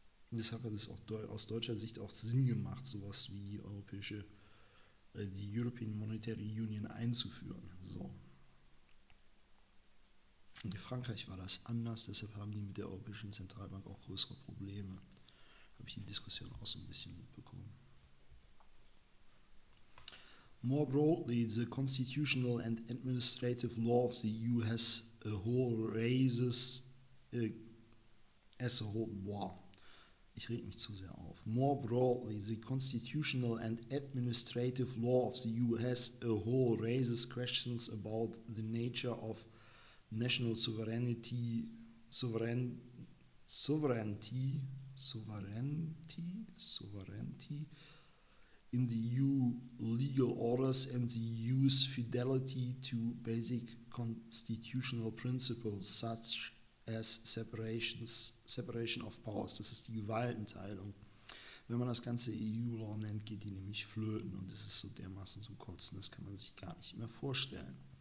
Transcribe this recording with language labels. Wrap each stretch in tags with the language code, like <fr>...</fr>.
<de>Deshalb hat es auch aus deutscher Sicht auch Sinn gemacht, sowas wie die European Monetary Union einzuführen. So. In Frankreich war das anders, deshalb haben die mit der Europäischen Zentralbank auch größere Probleme. Habe ich die Diskussion auch so ein bisschen mitbekommen.</de> <en>More broadly, the constitutional and administrative law of the EU has a whole raises as a whole war.</en> <de>Ich reg mich zu sehr auf.</de> <en>More broadly, the constitutional and administrative law of the EU has a whole raises questions about the nature of national sovereignty, sovereignty in the EU legal orders and the EU's fidelity to basic constitutional principles such as separation of powers.</en> <de>Das ist die Gewaltenteilung. Wenn man das ganze EU-Law nennt, geht die nämlich flöten und es ist so dermaßen zum Kotzen, das kann man sich gar nicht mehr vorstellen.</de>